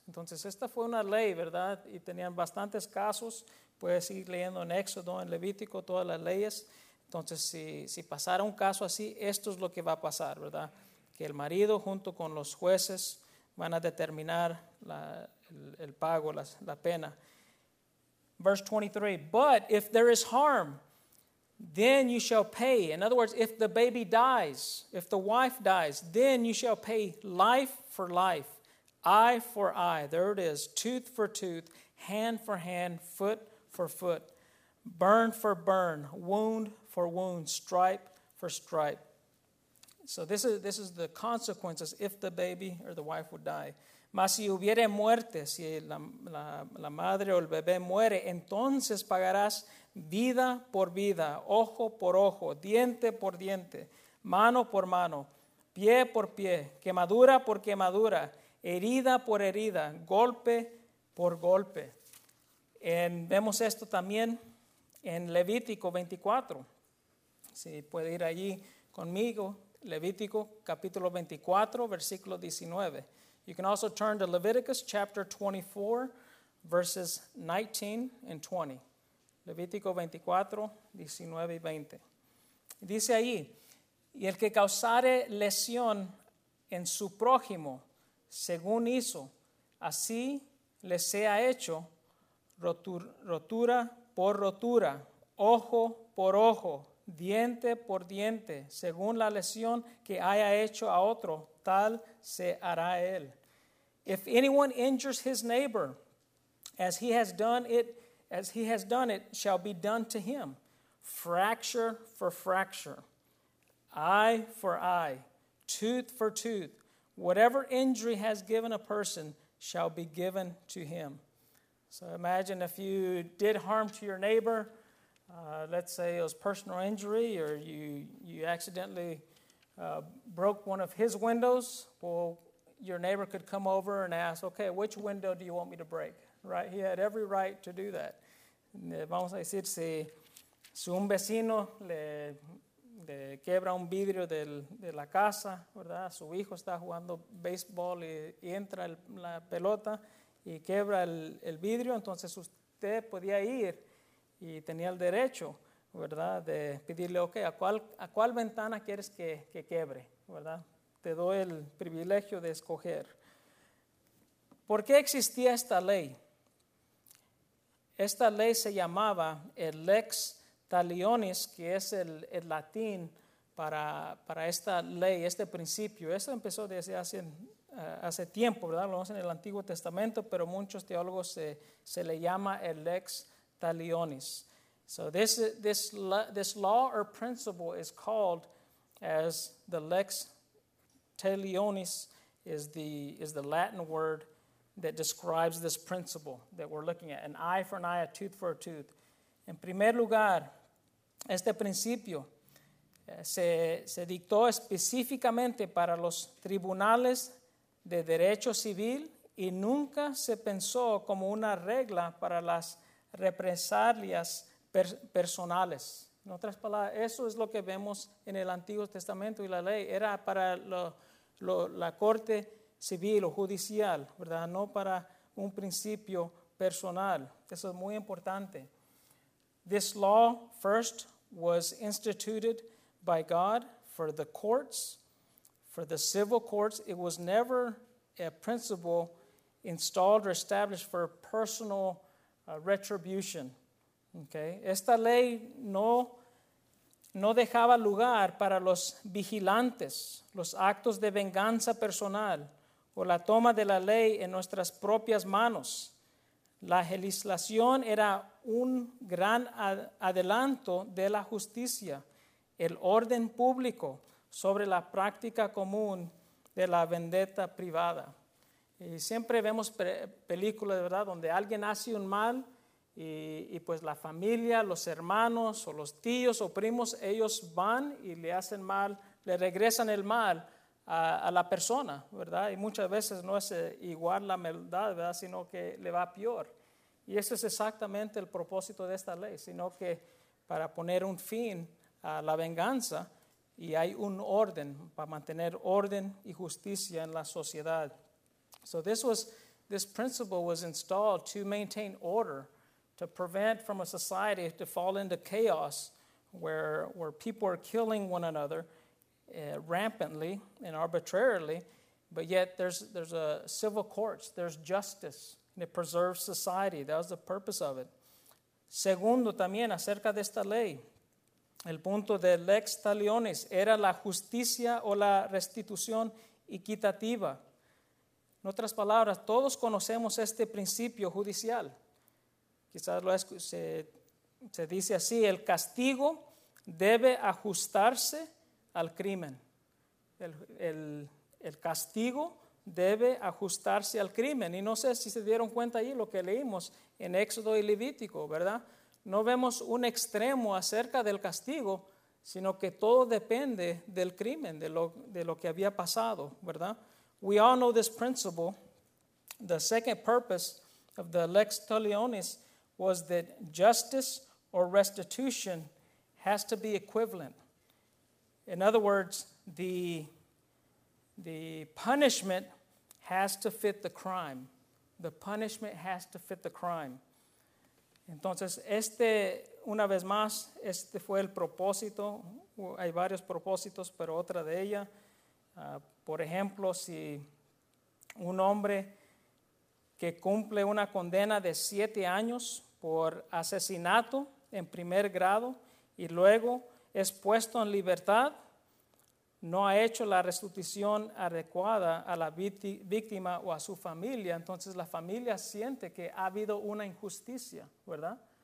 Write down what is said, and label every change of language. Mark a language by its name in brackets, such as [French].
[Spanish] Entonces, esta fue una ley, ¿verdad? Y tenían bastantes casos. Puedes ir leyendo en Éxodo, en Levítico, todas las leyes. Entonces, si pasara un caso así, esto es lo que va a pasar, ¿verdad? Que el marido junto con los jueces van a determinar el pago, la pena. [English] Verse 23, but if there is harm, then you shall pay. In other words, if the baby dies, if the wife dies, then you shall pay life for life, eye for eye. There it is, tooth for tooth, hand for hand, foot for foot, burn for burn, wound for wound, stripe for stripe. So this is the consequences if the baby or the wife would die. [Spanish] Mas si hubiere muerte, si la madre o el bebé muere, entonces pagarás vida por vida, ojo por ojo, diente por diente, mano por mano, pie por pie, quemadura por quemadura, herida por herida, golpe por golpe. Vemos esto también en Levítico 24. Si puede ir allí conmigo, Levítico capítulo 24, versículo 19. [English] You can also turn to Leviticus chapter 24, verses 19 and 20. [Spanish] Levítico 24, 19 y 20. Dice ahí, y el que causare lesión en su prójimo, según hizo, así le sea hecho, rotura por rotura, ojo por ojo, diente por diente, según la lesión que haya hecho a otro, tal se hará él. [English] If anyone injures his neighbor, as he has done it, shall be done to him, fracture for fracture, eye for eye, tooth for tooth. Whatever injury has given a person shall be given to him. So imagine if you did harm to your neighbor. Let's say it was personal injury, or you accidentally broke one of his windows. Well, your neighbor could come over and ask, okay, which window do you want me to break? Right? He had every right to do that. [Spanish] Vamos a decir, si un vecino le quebra un vidrio de la casa, ¿verdad? Su hijo está jugando béisbol y entra la pelota y quebra el vidrio. Entonces usted podía ir y tenía el derecho, ¿verdad? De pedirle, ok, ¿a cuál ventana quieres que quebre, ¿verdad? Te doy el privilegio de escoger. ¿Por qué existía esta ley? Esta ley se llamaba el Lex Talionis, que es el latín para esta ley, este principio. Eso empezó desde hace tiempo, ¿verdad? Lo vemos en el Antiguo Testamento, pero muchos teólogos se le llama el Lex Talionis. [English] So this law or principle is called as the Lex Talionis is the Latin word that describes this principle that we're looking at, an eye for an eye, a tooth for a tooth. [Spanish] En primer lugar, este principio se dictó específicamente para los tribunales de derecho civil y nunca se pensó como una regla para las represalias personales. En otras palabras, eso es lo que vemos en el Antiguo Testamento y la ley. Era para la corte civil o judicial, ¿verdad? No para un principio personal. Eso es muy importante. [English] This law first was instituted by God for the courts, for the civil courts. It was never a principle installed or established for personal retribution. Okay. [Spanish] Esta ley no dejaba lugar para los vigilantes, los actos de venganza personal o la toma de la ley en nuestras propias manos. La legislación era un gran adelanto de la justicia, el orden público sobre la práctica común de la vendetta privada. Y siempre vemos películas, ¿verdad?, donde alguien hace un mal y pues la familia, los hermanos o los tíos o primos, ellos van y le hacen mal, le regresan el mal a la persona, ¿verdad? Y muchas veces no es igual la maldad, ¿verdad?, sino que le va peor. Y ese es exactamente el propósito de esta ley, sino que para poner un fin a la venganza, y hay un orden para mantener orden y justicia en la sociedad. [English] So this principle was installed to maintain order, to prevent from a society to fall into chaos where people are killing one another rampantly and arbitrarily, but yet there's a civil courts, there's justice, and it preserves society. That was the purpose of it. [Spanish] Segundo, también acerca de esta ley, el punto de Lex Talionis era la justicia o la restitución equitativa. En otras palabras, todos conocemos este principio judicial. Quizás se dice así, el castigo debe ajustarse al crimen. El castigo debe ajustarse al crimen. Y no sé si se dieron cuenta ahí lo que leímos en Éxodo y Levítico, ¿verdad? No vemos un extremo acerca del castigo, sino que todo depende del crimen, de lo que había pasado, ¿verdad? [English] We all know this principle. The second purpose of the Lex Talionis was that justice or restitution has to be equivalent. In other words, the punishment has to fit the crime. The punishment has to fit the crime. [Spanish] Entonces, una vez más, este fue el propósito. Hay varios propósitos, pero otra de ellas. Por ejemplo, si un hombre que cumple una condena de 7 años por asesinato en primer grado y luego es puesto en libertad, no ha hecho la restitución adecuada a la víctima o a su familia, entonces la familia siente que ha habido una injusticia, ¿verdad?